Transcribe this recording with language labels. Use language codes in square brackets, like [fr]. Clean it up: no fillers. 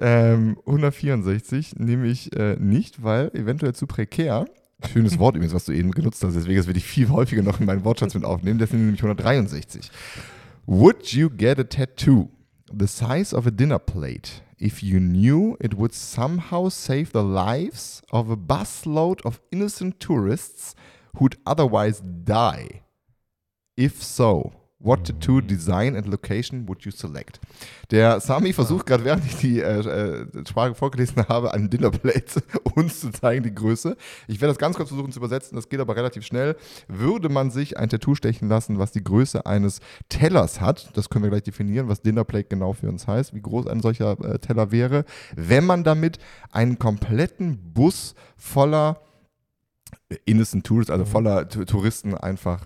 [de] 164 nehme ich nicht, weil eventuell zu prekär. Schönes Wort übrigens, was du eben genutzt hast. Deswegen, das werde ich viel häufiger noch in meinen Wortschatz mit aufnehmen. Das sind nämlich 163. [en] Would you get a tattoo the size of a dinner plate if you knew it would somehow save the lives of a busload of innocent tourists who'd otherwise die? If so, what tattoo design and location would you select? [de] Der Sami versucht gerade, während ich die Frage vorgelesen habe, an Dinnerplate uns zu zeigen, die Größe. Ich werde das ganz kurz versuchen zu übersetzen, das geht aber relativ schnell. Würde man sich ein Tattoo stechen lassen, was die Größe eines Tellers hat, das können wir gleich definieren, was Dinnerplate genau für uns heißt, wie groß ein solcher Teller wäre, wenn man damit einen kompletten Bus voller [en] Innocent Tourists, [de] also voller Touristen einfach